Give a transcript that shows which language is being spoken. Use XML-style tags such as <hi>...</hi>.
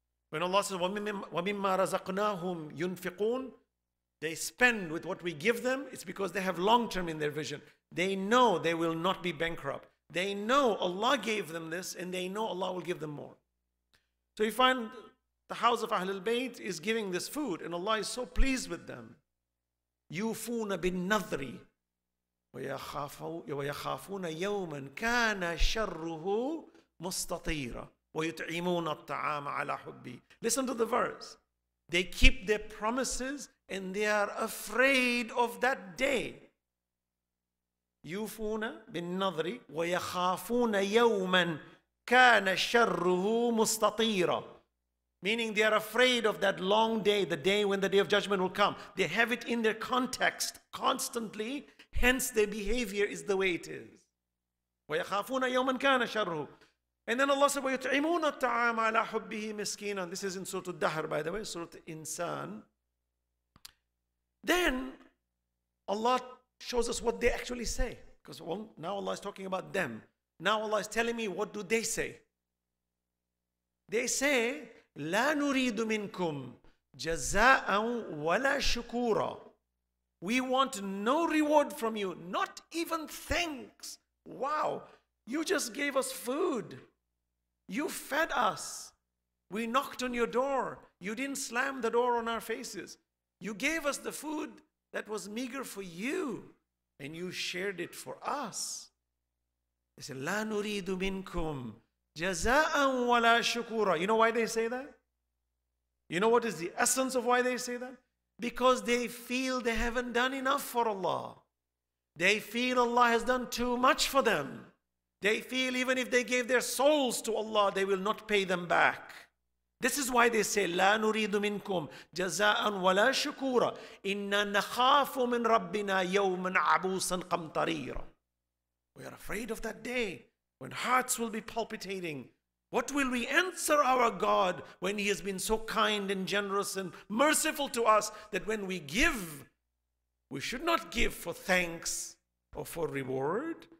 <en>When Allah says,</en> <ar>وَمِمَّا رَزَقْنَاهُمْ يُنْفِقُونَ,</ar> <en>they spend with what we give them, it's because they have long-term in their vision. They know they will not be bankrupt. They know Allah gave them this, and they know Allah will give them more. So you find the house of Ahlul Bayt is giving this food, and Allah is so pleased with them.</en> <ar>يُوفُونَ بِالنَّذْرِ وَيَخَافُونَ يَوْمًا كَانَ شَرُّهُ مُسْتَطِيرًا وَيُتْعِمُونَ الطَّعَامَ عَلَى حُبِّهِ.</ar> <en>Listen to the verse. They keep their promises and they are afraid of that day.</en> <ar>يُفُونَ بِالنَّظْرِ وَيَخَافُونَ يَوْمًا كَانَ شَرُّهُ مُسْتَطِيرًا.</ar> <en>Meaning they are afraid of that long day, the day when the day of judgment will come. They have it in their context constantly, hence their behavior is the way it is.</en> <ar>وَيَخَافُونَ يَوْمًا كَانَ شَرُّهُ.</ar> <en>And then Allah said,</en> <ar>وَيُطْعِمُونَ الطَّعَامَ عَلَى حُبِّهِ مِسْكِينًا.</ar> <en>This is in Surah Al-Dahr, by the way, Surah Insan. Then Allah shows us what they actually say. Because well, now Allah is talking about them. Now Allah is telling me, what do they say? They say,</en> <ar>لَا نُرِيدُ مِنْكُمْ جَزَاءً وَلَا شُكُورًا.</ar> <en>We want no reward from you, not even thanks. Wow, you just gave us food. You fed us. We knocked on your door. You didn't slam the door on our faces. You gave us the food that was meager for you, and you shared it for us. They said,</en> <ar>لَا نُرِيدُ مِنْكُمْ جَزَاءً وَلَا شُكُورًا.</ar> <en>You know why they say that? You know what is the essence of why they say that? Because they feel they haven't done enough for Allah. They feel Allah has done too much for them. They feel even if they gave their souls to Allah, they will not pay them back. This is why they say,</en> <ar>لَا نُرِيدُ مِنْكُمْ جَزَاءً وَلَا شُكُورًا إِنَّا نَخَافُ مِنْ رَبِّنَا يَوْمًا عَبُوسًا قَمْطَرِيرًا.</ar> <en>We are afraid of that day when hearts will be palpitating. What will we answer our God when He has been so kind and generous and merciful to us that when we give, we should not give for thanks or for reward?</en>